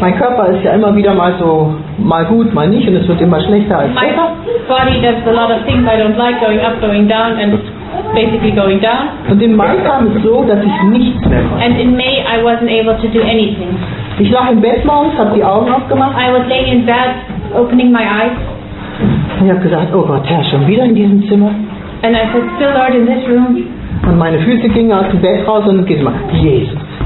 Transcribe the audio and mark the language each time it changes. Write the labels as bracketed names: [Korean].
[German] Mein Körper ist ja immer wieder mal so, mal gut, mal nicht, und es wird immer schlechter als besser. [English] Body does a lot of things I don't like, going up, going down, and basically going down. [German] Und im Mai kam es so, dass ich nichts mehr konnte. [English] And in May I wasn't able to do anything. [German] Ich lag im Bett morgens, habe die Augen aufgemacht. [English] I was laying in bed, opening my eyes. [German] Und ich habe gesagt, oh Gott, Herr, schon wieder in diesem Zimmer. [English] And I said, still Lord, in this room. [German] Und meine Füße gingen aus dem Bett raus und gehen mal, Jesus.